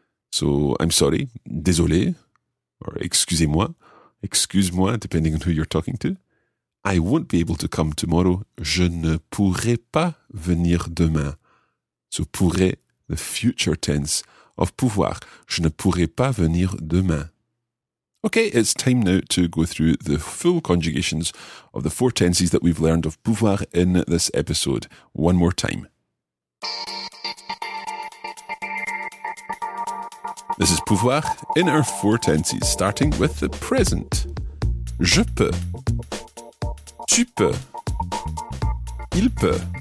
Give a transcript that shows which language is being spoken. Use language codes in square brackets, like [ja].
[en] So I'm sorry, [fr] désolé, [en] or [fr] excusez-moi. Excuse-moi, [en] depending on who you're talking to. I won't be able to come tomorrow. [fr] Je ne pourrai pas venir demain. [en] So pourrai, the future tense of pouvoir. [fr] Je ne pourrai pas venir demain. [en] Okay, it's time now to go through the full conjugations of the four tenses that we've learned of pouvoir in this episode. One more time. This is pouvoir in our four tenses, starting with the present. [fr] Je peux. Tu peux. Il peut.